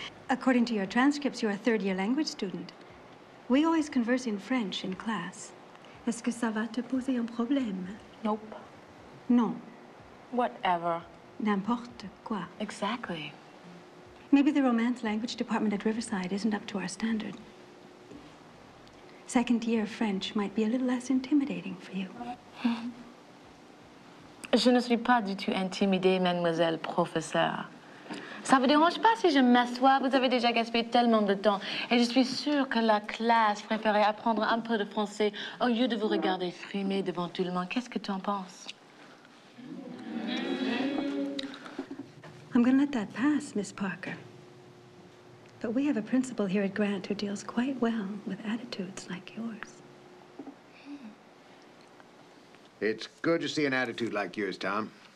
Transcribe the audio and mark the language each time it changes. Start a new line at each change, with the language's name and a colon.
English: According to your transcripts, you're a third-year language student. We always converse in French in class.
French: Est-ce que ça va te poser un problème?
English: Nope.
French: Non.
English: Whatever.
French: N'importe quoi.
English: Exactly. Maybe the Romance language department at Riverside isn't up to our standard. Second-year French might be a little less intimidating for you.
French: Je ne suis pas du tout intimidée, mademoiselle professeur. Ça vous dérange pas si je m'assois? Vous avez déjà gaspillé tellement de temps. Et je suis sûre que la classe préférait apprendre un peu de français au lieu de vous regarder frimer devant tout le monde. Qu'est-ce que tu en penses?
English: I'm going to let that pass, Miss Parker. But we have a principal here at Grant who deals quite well with attitudes like yours. It's good to see an attitude like yours, Tom.